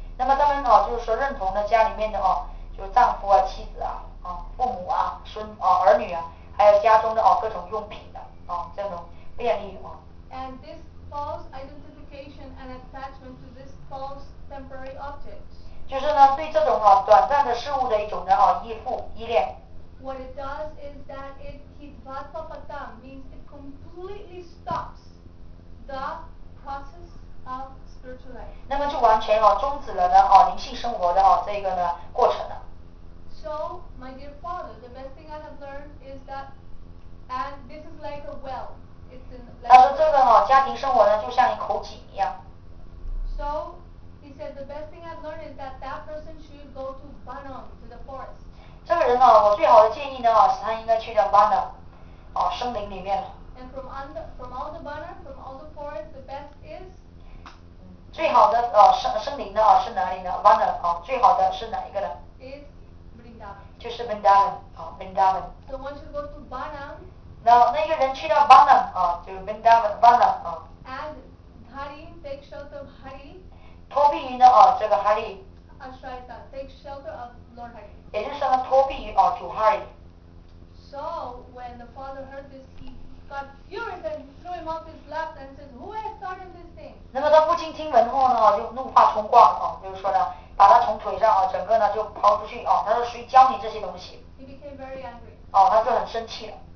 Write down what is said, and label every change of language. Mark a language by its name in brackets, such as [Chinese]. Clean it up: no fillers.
[Chinese] 那么他们哦，就是说认同了家里面的哦，就是丈夫啊、妻子啊、父母啊、孙啊、儿女啊。还有家中的哦各种用品的哦这种便利哦。 [English] And this false identification and attachment to this false temporary object. [Chinese] 就是呢对这种哦短暂的事物的一种的哦依附依恋。 [English] What it does is that it hits vatapatam means it completely stops the process of spiritual life. [Chinese] 那么就完全哦终止了呢哦灵性生活的哦这个呢过程了。 [English] So, my dear father, the best thing I have learned is that, and this is like a well. It's in. [Chinese] 他说这个哈、哦、家庭生活呢就像一口井一样。 [English] So, he said the best thing I've learned is that that person should go to Banam, to the forest. [Chinese] 这个人呢、哦，我最好的建议呢，是他应该去到 Banam, 哦，森林里面了。 [English] And from all the Banam, from all the forest, the best is. [Chinese] 最好的哦，森林的哦是哪里呢 ？Banam 哦，最好的是哪一个呢 [English] ？Is [Chinese] 就是 Vrindavan 啊 ，Vrindavan。 [English] So once you go to Banam， [Chinese] 那那个人去到 Banam 啊，就是 Vrindavan，Banam 啊。 [English] And Hari take shelter of Hari。 [Chinese] 托庇于呢啊，这个 Hari。 [English] Ashrita take shelter of Lord Hari。 [Chinese] 也就是说呢，托庇于啊主 Hari。 [English] So when the father heard this, he got furious and threw him off his lap and said, "Who has started this thing?" [Chinese] 那么他父亲听闻后呢，就怒发冲冠啊，就是说呢。把他从腿上啊，整个呢就抛出去啊！他说：“谁教你这些东西？” 哦、啊，他就很生气了。